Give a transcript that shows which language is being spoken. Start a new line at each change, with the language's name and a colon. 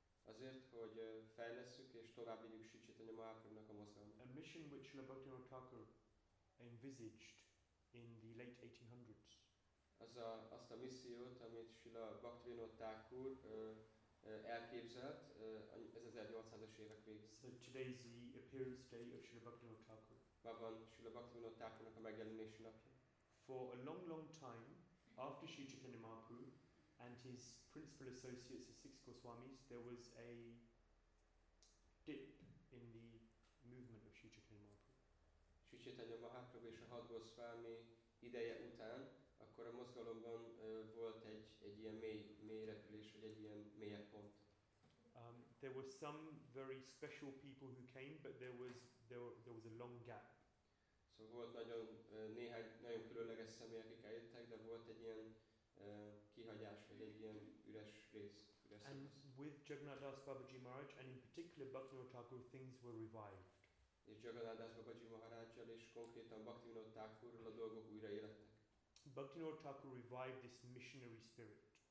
Hungarian: Azért, hogy fejlesszük és tovább vigyük Sri Chaitanya Mahaprabhunak a mozgalmat.
English: A mission which Srila Bhaktivinoda Thakur envisaged in the late 1800s.
Hungarian: Azt a missziót, amit Srila Bhaktivinoda Thakur elképzelt, ez 1800-as évek végén.
English: So today is the appearance day of Srila Bhaktivinoda Thakur.
Hungarian: Ma van Srila Bhaktivinoda Thakurnak a megjelenési napja.
English: For a long, long time, after Sri Chaitanya Mahaprabhu and his principal associates, the six Goswamis, there was a dip in the movement of Sri Chaitanya Mahaprabhu.
Hungarian: Sri Chaitanya Mahaprabhu és a hat Goswami ideje után, akkor a mozgalomban volt egy ilyen mély repülés, vagy egy ilyen mélyebb pont.
English: There were some very special people who came, but there was a long gap.
Hungarian: Szóval volt nagyon néhány nagyon különleges személy, akik eljöttek, de volt egy ilyen kihagyás, vagy egy ilyen üres rész.
English: And with Jagannath Das Babaji Maharaj, and in particular Bhaktivinoda Thakur, things were revived.
Hungarian: És Jagannath Das Babaji Maharajjal és konkrétan Bhaktivinoda Thakurral a dolgok újra élettek.
English: Bhaktivinoda Thakur revived this missionary spirit.